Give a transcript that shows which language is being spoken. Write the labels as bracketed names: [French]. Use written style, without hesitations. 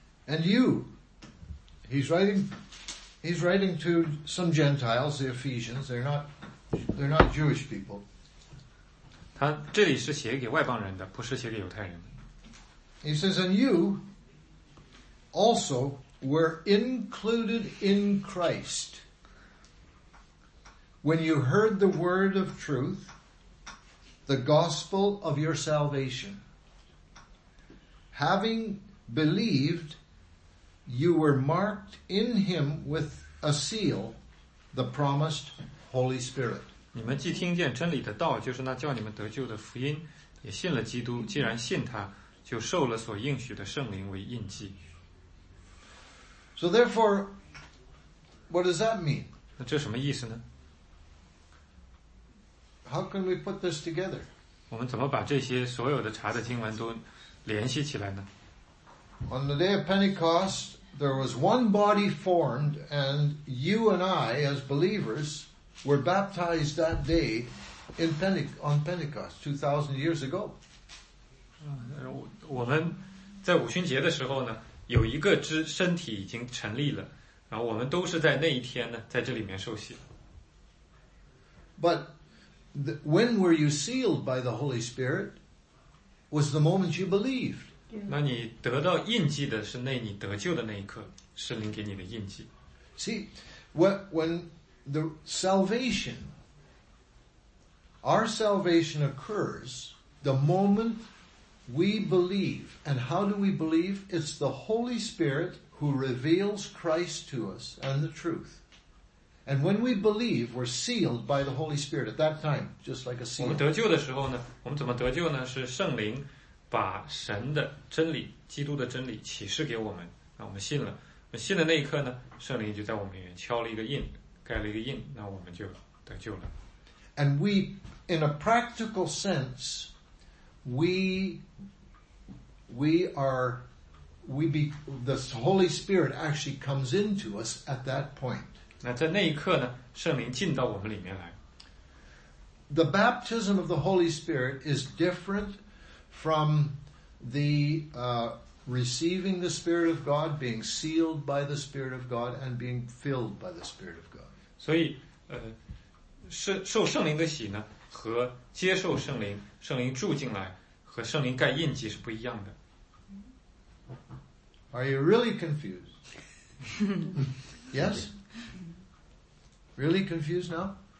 [English] And you, he's writing to some Gentiles, the Ephesians. They're not Jewish people. [Chinese] 他这里是写给外邦人的，不是写给犹太人的。 [English] He says, and you also were included in Christ when you heard the word of truth, the gospel of your salvation. Having believed, you were marked in him with a seal, the promised Holy Spirit. [Chinese] 你们既听见真理的道，就是那叫你们得救的福音，也信了基督。既然信他，就受了所应许的圣灵为印记。 [English] So therefore, what does that mean? [Chinese] 那这什么意思呢？ [English] How can we put this together? [Chinese] 我们怎么把这些所有的查的经文都联系起来呢？ [English] On the day of Pentecost, there was one body formed, and you and I, as believers,were baptized that day on Pentecost 2,000 years ago. [Chinese] 我们在五旬节的时候呢，有一个支身体已经成立了，然后我们都是在那一天呢，在这里面受洗。 [English] But when were you sealed by the Holy Spirit? Was the moment you believed. [Chinese] 那你得到印记的是那你得救的那一刻，圣灵给你的印记。 [English] See, when... The salvation, our salvation occurs the moment we believe. And how do we believe? It's the Holy Spirit who reveals Christ to us and the truth. And when we believe, we're sealed by the Holy Spirit at that time, just like a seal. [Chinese] 我们得救的时候呢，我们怎么得救呢？是圣灵把神的真理，基督的真理启示给我们，那我们信了。我们信的那一刻呢，圣灵就在我们里面敲了一个印。盖了一个印，那我们就得救了。 [English] And we, in a practical sense, the Holy Spirit actually comes into us at that point. [Chinese] 那在那一刻呢，圣灵进到我们里面来。 [English] The baptism of the Holy Spirit is different from the receiving the Spirit of God, being sealed by the Spirit of God, and being filled by the Spirit of God. [Chinese] 所以受圣灵的洗呢和接受圣灵圣灵住进来和圣灵盖印记是不一样的。 [English] Are you really confused? Yes? Really confused now?